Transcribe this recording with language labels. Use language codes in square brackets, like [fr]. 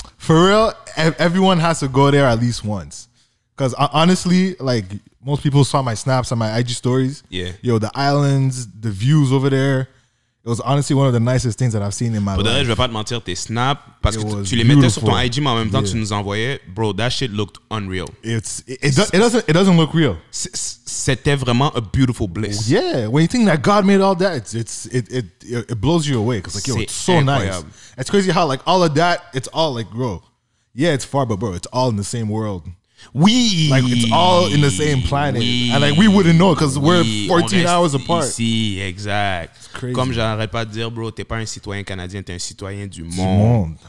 [en] For real, everyone has to go there at least once. Because honestly, like... Most people saw my snaps on my IG stories. Yeah. Yo, the islands, the views over there. It was honestly one of the nicest things that I've seen in my life. [fr] Pour vrai, je vais pas te mentir, tes snaps, parce que tu les mettais sur ton IG, mais en même temps, tu nous envoyais. [en] Bro, that shit looked unreal. It doesn't look real. [fr] C'était vraiment [en] a beautiful bliss. Yeah, when you think that God made all that, it blows you away. Because like, yo, it's so nice. It's crazy how like all of that, it's all like, bro. Yeah, it's far, but bro, it's all in the same world. We like it's all in the same planet, and like we wouldn't know because we're 14 hours apart. [fr] Si, exact. [en] It's crazy. [fr] Comme j'arrête pas de dire, bro, t'es pas un citoyen canadien, t'es un citoyen du monde.